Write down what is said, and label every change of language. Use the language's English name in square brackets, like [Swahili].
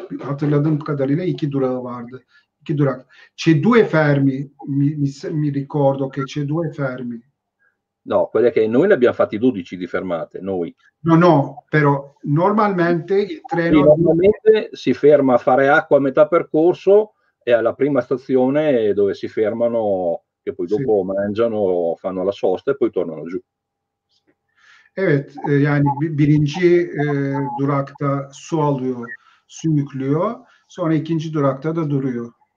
[Turkish] Hatırladığım kadarıyla iki durağı vardı. İki durak. [Italian] C'è due fermi mi ricordo che c'è due fermi. No, quelle che noi ne abbiamo fatti 12 di fermate, noi. No, però normalmente il treno... Normalmente si ferma a fare acqua a metà percorso e alla prima stazione dove si fermano, che poi dopo sì. Mangiano, fanno la sosta e poi tornano giù. [Turkish] Evet, yani birinci durakta su alıyor, su yüklüyor, sonra ikinci durakta da duruyor.